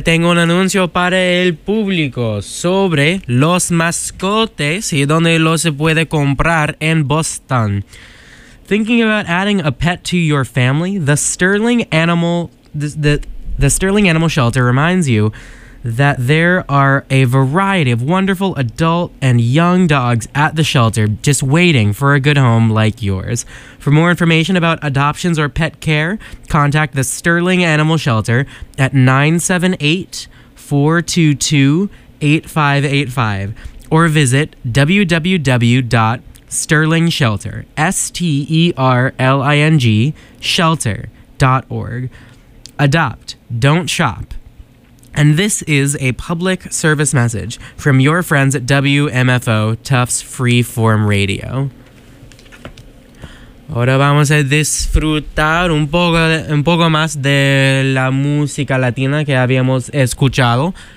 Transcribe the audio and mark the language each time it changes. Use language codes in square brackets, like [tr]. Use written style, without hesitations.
[es] Tengo un anuncio para el público sobre los mascotes y dónde los se puede comprar en Boston. [en] Thinking about adding a pet to your family? The Sterling Animal Shelter reminds you that there are a variety of wonderful adult and young dogs at the shelter just waiting for a good home like yours. For more information about adoptions or pet care, contact the Sterling Animal Shelter at 978-422-8585 or visit www.sterlingshelter.org. Adopt, don't shop. And this is a public service message from your friends at WMFO, Tufts Freeform Radio. [es] Ahora vamos a disfrutar un poco más de la música latina que habíamos escuchado.